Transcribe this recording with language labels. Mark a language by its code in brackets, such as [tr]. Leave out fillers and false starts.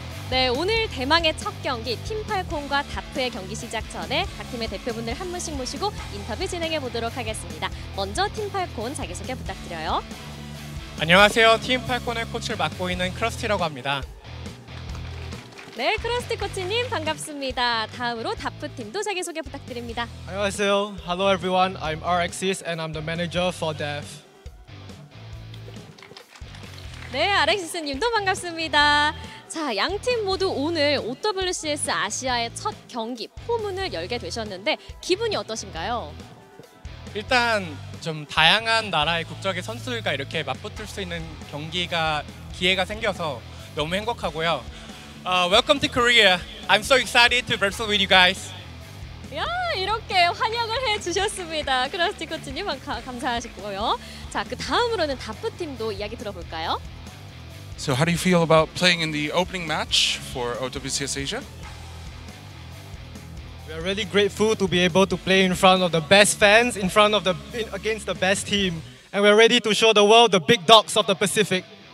[ko] 네, 오늘 대망의 첫 경기 팀 팔콘과 다프의 경기 시작 전에 각 팀의 대표분들 한 분씩 모시고 인터뷰 진행해 보도록 하겠습니다. 먼저 팀 팔콘 자기소개 부탁드려요. 안녕하세요. 팀 팔콘의 코치를 맡고 있는 크러스티라고 합니다. 네, 크러스티 코치님 반갑습니다. 다음으로 다프 팀도 자기소개 부탁드립니다. 안녕하세요. [en] Hello everyone. I'm RXIS and I'm the manager for DEF. [ko] 네, RXIS님도 반갑습니다. 자, 양 팀 모두 오늘 OWCS 아시아의 첫 경기 포문을 열게 되셨는데 기분이 어떠신가요? 일단 좀 다양한 나라의 국적의 선수들과 이렇게 맞붙을 수 있는 경기가 기회가 생겨서 너무 행복하고요. [en] Welcome to Korea. I'm so excited to wrestle with you guys. [ko] 야, 이렇게 환영을 해 주셨습니다. 크러스티 코치님 감사하시고요. 자, 그 다음으로는 다프 팀도 이야기 들어볼까요? [en] So how do you feel about playing in the opening match for OWCS Asia? We are really grateful to be able to play in front of the best fans, against the best team. And we're ready to show the world the big dogs of the Pacific.